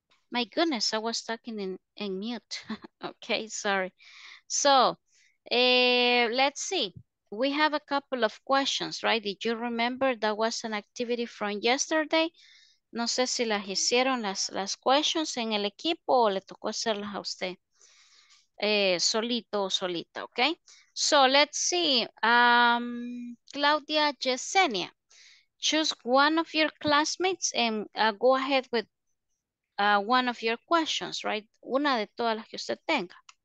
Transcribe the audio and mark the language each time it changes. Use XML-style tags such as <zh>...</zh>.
<en>My goodness, I was talking in mute. Okay, sorry. So, let's see. We have a couple of questions, right? Did you remember that was an activity from yesterday?</en> <es>No sé si las hicieron las questions en el equipo o le tocó hacerlas a usted solito o solita, okay?</es> <en>So let's see, Claudia Yesenia, choose one of your classmates and go ahead with one of your questions, right?</en> <es>Una de todas las que usted tenga.</es>